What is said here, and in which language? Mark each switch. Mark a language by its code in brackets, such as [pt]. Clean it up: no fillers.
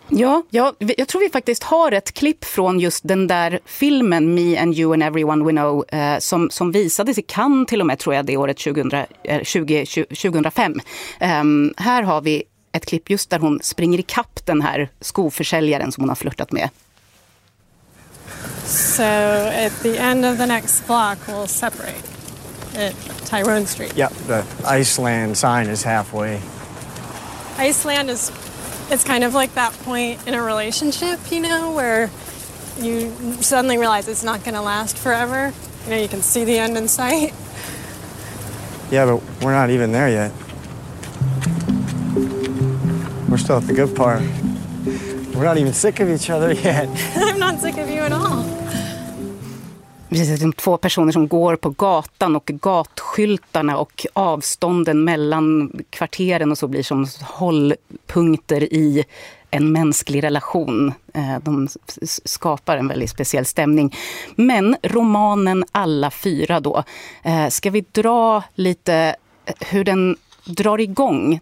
[sv] Ja, jag tror vi faktiskt har ett klipp från just den där filmen Me and You and Everyone We Know som visades i Cannes till och med, tror jag, det året 2005. Här har vi ett klipp just där hon springer i kapp den här skoförsäljaren som hon har flirtat med. [en] So at the end of the next block we'll separate. At Tyrone Street. Yeah, the Iceland sign is halfway. Iceland is, it's kind of like that point in a relationship, you know, where you suddenly realize it's not going to last forever. You know, you can see the end in sight. Yeah, but we're not even there yet. We're still at the good part. We're not even sick of each other yet. I'm not sick of you at all. [sv] Precis, de två personer som går på gatan och gatskyltarna och avstånden mellan kvarteren och så blir som hållpunkter i en mänsklig relation. De skapar en väldigt speciell stämning. Men romanen Alla fyra då, ska vi dra lite hur den drar igång.